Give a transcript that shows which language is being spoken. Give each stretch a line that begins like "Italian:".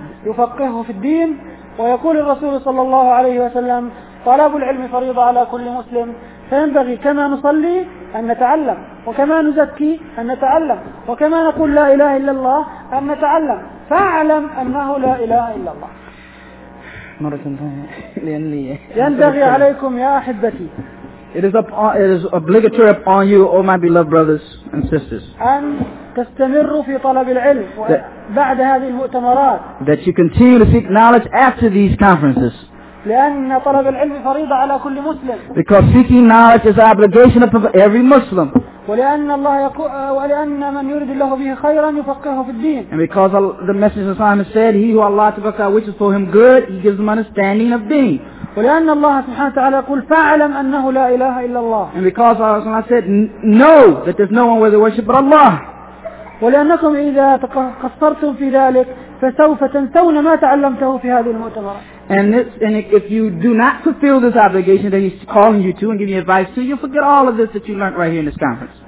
Arabic: يفقهه في الدين ويقول الرسول صلى الله عليه وسلم طلب العلم فريضة على كل مسلم فينبغي كما نصلي أن نتعلم وكما نزكي أن نتعلم وكما نقول لا إله إلا الله أن نتعلم فاعلم أنه لا إله إلا الله مرة ثانية ينبغي عليكم يا أحبتي.
English: It is obligatory upon you, all my beloved brothers and sisters.
Arabic: أن تستمروا في طلب العلم بعد هذه المؤتمرات.
English: That you continue to seek knowledge after these conferences.
Arabic: لأن طلب العلم فريضة على كل مسلم.
English: Because seeking knowledge is an obligation of every Muslim.
Arabic: ولأن الله يقول ولأن من يريد الله به خيرا يفقهه في الدين.
English: And because the Messenger of Allah said, He who Allah Ta'ala wishes for him good, He gives him understanding of deen.
Arabic: ولأن الله سبحانه وتعالى قل فاعلم أنه لا إله إلا الله.
English: And because Allah Ta'ala said, know that there's no one worthy of worship but Allah.
Arabic: ولأنكم إذا قصرتم في ذلك فسوف تنسون ما تعلمته في هذه المؤتمرات.
English: And if you do not fulfill this obligation that he's calling you to and giving you advice to, you'll forget all of this that you learned right here in this conference.